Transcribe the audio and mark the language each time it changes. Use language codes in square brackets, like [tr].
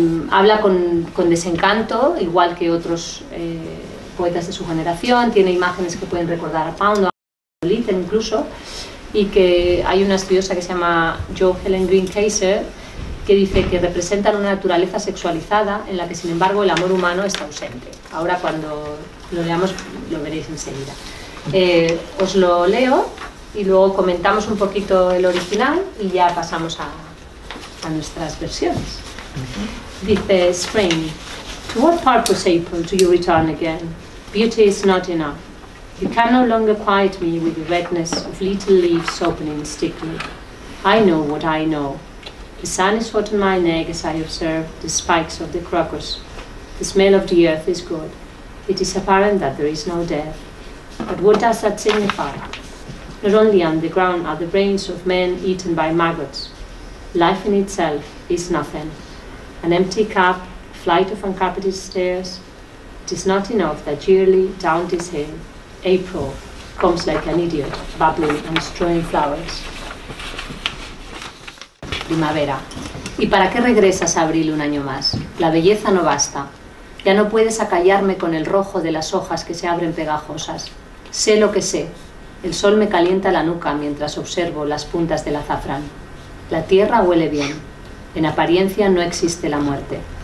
[es] Habla con desencanto, igual que otros poetas de su generación, tiene imágenes que pueden recordar a Pound o a Litten incluso, y que hay una estudiosa que se llama Jo Helen Green Kaiser, que dice que representan una naturaleza sexualizada en la que, sin embargo, el amor humano está ausente. Ahora, cuando lo leamos, lo veréis enseguida. Os lo leo y luego comentamos un poquito el original y ya pasamos a nuestras versiones. [en] Dice Spring, to what purpose, April, do you return again? Beauty is not enough. You can no longer quiet me with the redness of little leaves opening stickily. I know what I know. The sun is hot on my neck as I observe the spikes of the crocus. The smell of the earth is good. It is apparent that there is no death. But what does that signify? Not only on the ground are the brains of men eaten by maggots. Life in itself is nothing. An empty cup, flight of uncarpeted stairs. It is not enough that yearly down this hill, April comes like an idiot, bubbling and strewing flowers. [es] Primavera. ¿Y para qué regresas a abril un año más? La belleza no basta. Ya no puedes acallarme con el rojo de las hojas que se abren pegajosas. Sé lo que sé. El sol me calienta la nuca mientras observo las puntas del azafrán. La tierra huele bien. En apariencia no existe la muerte.